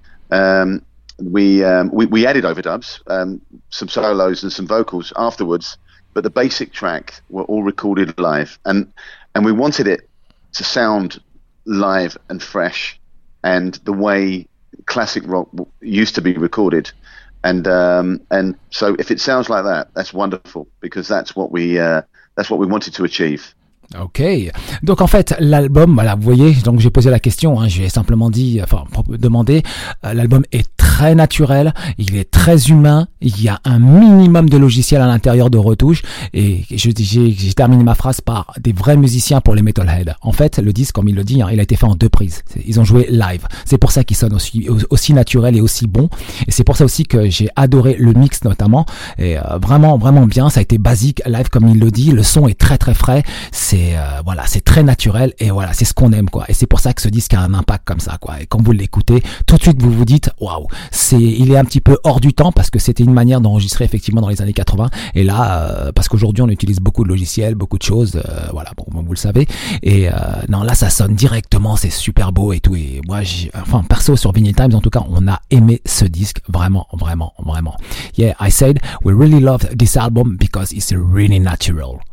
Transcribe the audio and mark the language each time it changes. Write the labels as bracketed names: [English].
[English] We added overdubs, some solos and some vocals afterwards, but the basic track were all recorded live, and we wanted it to sound live and fresh and the way classic rock used to be recorded, and so if it sounds like that, that's wonderful, because that's what we wanted to achieve. [French] Ok, donc en fait l'album, voilà, vous voyez, donc j'ai posé la question, hein, j'ai simplement demandé, l'album est très naturel, il est très humain, il y a un minimum de logiciels à l'intérieur de Retouche, et j'ai terminé ma phrase par des vrais musiciens pour les Metalhead. En fait, le disque, comme il le dit, hein, il a été fait en deux prises. Ils ont joué live. C'est pour ça qu'il sonne aussi naturel et aussi bon. Et c'est pour ça aussi que j'ai adoré le mix notamment. Et vraiment, vraiment bien. Ça a été basique live, comme il le dit. Le son est très, très frais. C'est voilà, c'est très naturel. Et voilà, c'est ce qu'on aime, quoi. Et c'est pour ça que ce disque a un impact comme ça, quoi. Et quand vous l'écoutez, tout de suite, vous vous dites, waouh, il est un petit peu hors du temps parce que c'était une manière d'enregistrer effectivement dans les années 80. Et là, parce qu'aujourd'hui, on utilise beaucoup de logiciels, beaucoup de choses. Voilà, bon, vous le savez. Et non, là, ça sonne directement. C'est super beau et tout. Et moi, perso, sur Vinyl Times, en tout cas, on a aimé ce disque vraiment, vraiment, vraiment. [English] Yeah, I said, we really love this album because it's really natural.